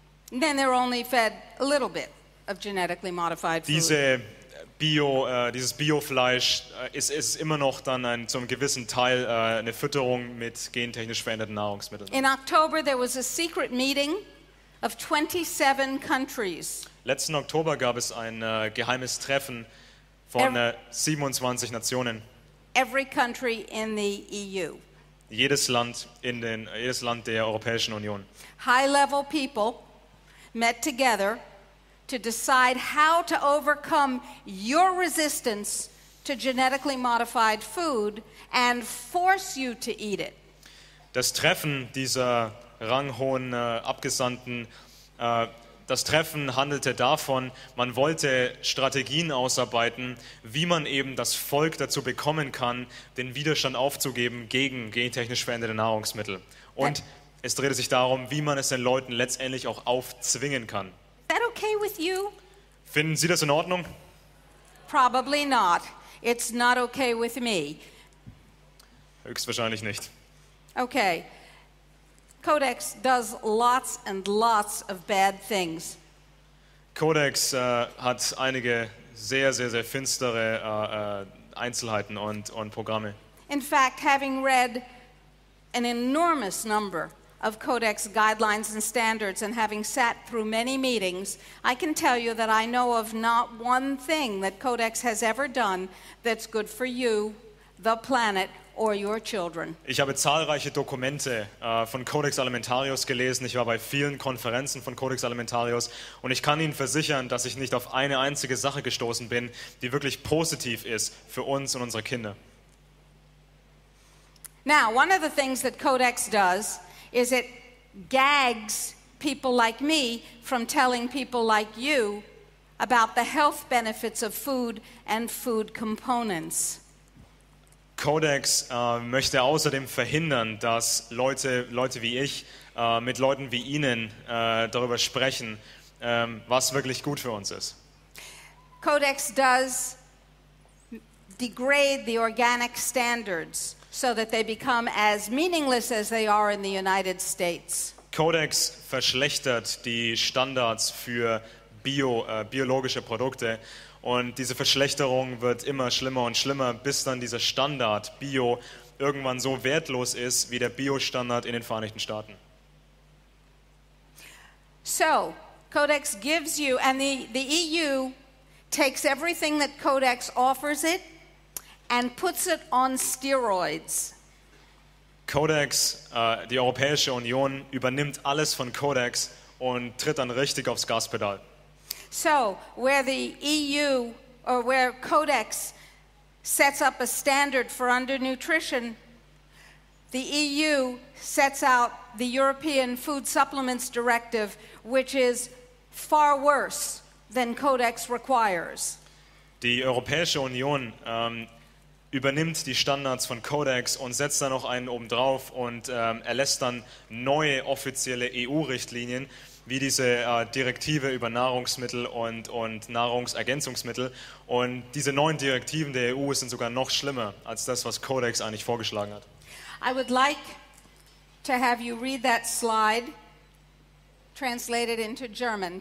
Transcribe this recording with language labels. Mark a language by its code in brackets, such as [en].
[en] Then they're only fed a little bit of genetically modified food. [de] Dieses Bio-Fleisch ist immer noch dann zum gewissen Teil eine Fütterung mit gentechnisch veränderten Nahrungsmitteln. [en] In October there was a secret meeting of 27 countries. [de] Letzten Oktober gab es ein geheimes Treffen von 27 Nationen. [en] Every country in the EU. [de] Jedes Land der Europäischen Union. [en] High-level people met together to decide how to overcome your resistance to genetically modified food and force you to eat it. [de] Das Treffen dieser ranghohen Abgesandten, das Treffen handelte davon, man wollte Strategien ausarbeiten, wie man eben das Volk dazu bekommen kann, den Widerstand aufzugeben gegen gentechnisch veränderte Nahrungsmittel. Und es drehte sich darum, wie man es den Leuten letztendlich auch aufzwingen kann. [en] Is that okay with you? [de] Finden Sie das in Ordnung? [en] Probably not. It's not okay with me. [de] Höchstwahrscheinlich nicht. [en] Okay. Codex does lots and lots of bad things. [de] Codex hat einige sehr, sehr, sehr finstere Einzelheiten und Programme. [en] In fact, having read an enormous number of Codex guidelines and standards and having sat through many meetings, I can tell you that I know of not one thing that Codex has ever done that's good for you, the planet, or your children. [de] Ich habe zahlreiche Dokumente von Codex Alimentarius gelesen. Ich war bei vielen Konferenzen von Codex Alimentarius und ich kann Ihnen versichern, dass ich nicht auf eine einzige Sache gestoßen bin, die wirklich positiv ist für uns und unsere Kinder. [en] Now, one of the things that Codex does is it gags people like me from telling people like you about the health benefits of food and food components. [de] Codex möchte außerdem verhindern, dass Leute wie ich mit Leuten wie Ihnen darüber sprechen, was wirklich gut für uns ist. [en] Codex does degrade the organic standards so that they become as meaningless as they are in the United States. [de] Codex verschlechtert die Standards für biologische Produkte. Und diese Verschlechterung wird immer schlimmer und schlimmer, bis dann dieser Standard Bio irgendwann so wertlos ist wie der Bio-Standard in den Vereinigten Staaten. [en] So, Codex gives you, and the EU takes everything that Codex offers it and puts it on steroids. [de] Codex, die Europäische Union, übernimmt alles von Codex und tritt dann richtig aufs Gaspedal. [en] So, where the EU or where Codex sets up a standard for undernutrition, the EU sets out the European Food Supplements Directive, which is far worse than Codex requires. [de] Die Europäische Union übernimmt die Standards von Codex und setzt dann noch einen obendrauf und erlässt dann neue offizielle EU-Richtlinien, wie diese Direktive über Nahrungsmittel und Nahrungsergänzungsmittel. Und diese neuen Direktiven der EU sind sogar noch schlimmer als das, was Codex eigentlich vorgeschlagen hat. [en] I would like to have you read that slide translated into German.